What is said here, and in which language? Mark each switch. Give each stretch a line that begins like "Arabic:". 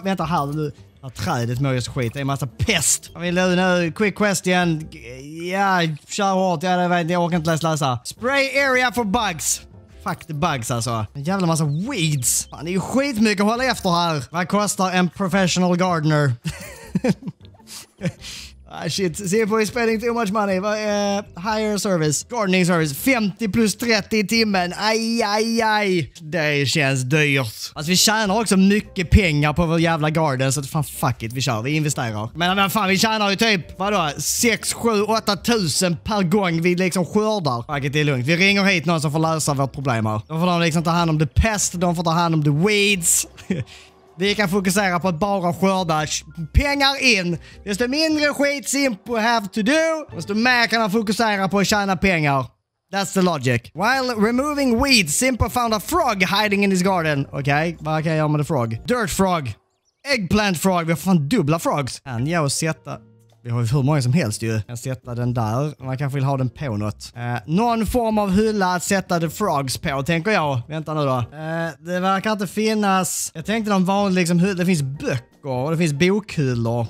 Swedish: Vänta här, nu har trädet mår ju så skit. Det är en massa pest. Vad vill du nu?
English: Quick question.
Swedish: Ja, kör hårt. Ja, det vet jag. Jag orkar inte läsa.
English: Spray area for bugs. Fuck the bugs
Swedish: alltså. En jävla massa weeds. Fan, det är ju skitmycket att hålla efter här. Vad kostar en professional gardener?
English: Shit, CFO is spending too much money. Hire service, gardening service, 50 plus 30
Swedish: i timmen. Aj, aj, aj. Det känns dyrt. Alltså vi tjänar också mycket pengar på vår jävla garden. Så fan,
English: fuck it,
Swedish: vi kör, vi investerar. Men fan, vi tjänar ju typ, vadå, 6, 7, 8 tusen per gång vi liksom skördar.
English: Fuck it,
Swedish: det är lugnt. Vi ringer hit någon som får lösa vårt problem här. Då får de liksom ta hand om the pest, de får ta hand om the weeds. Vi kan fokusera på att bara skörda pengar in. Desto mindre skit Simpo
English: have to do,
Swedish: desto mer kan han fokusera på att tjäna pengar.
English: That's the logic. While removing weeds, Simpo found a frog hiding in his garden.
Swedish: Okej, vad kan jag göra med the frog?
English: Dirt frog. Eggplant frog.
Swedish: Vi har fan dubbla frogs. Kan jag sätta... Vi har ju hur många som helst ju. Kan sätta den där. Man kanske vill ha den på något. Någon form av hylla att sätta the frogs på, tänker jag. Vänta nu då. Det verkar inte finnas... Jag tänkte någon vanlig liksom, hylla. Det finns böcker och det finns bokhyllor.